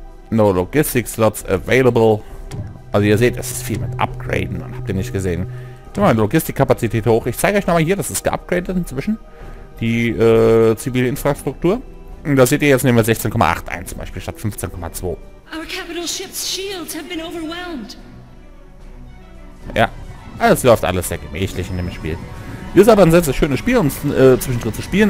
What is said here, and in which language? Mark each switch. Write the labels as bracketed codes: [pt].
[en] No Logistics Slots available. [de] Also ihr seht, es ist viel mit Upgraden, und habt ihr nicht gesehen. Ich mache meine Logistikkapazität hoch. Ich zeige euch nochmal hier, das ist geupgradet inzwischen. Die zivile Infrastruktur. Und da seht ihr, jetzt nehmen wir 16,8 ein zum Beispiel statt 15,2. [en] Our capital ship's shields have been overwhelmed. [de] Ja, es läuft alles sehr gemächlich in dem Spiel. Ist aber ein sehr, sehr schönes Spiel, um zwischendrin zu spielen.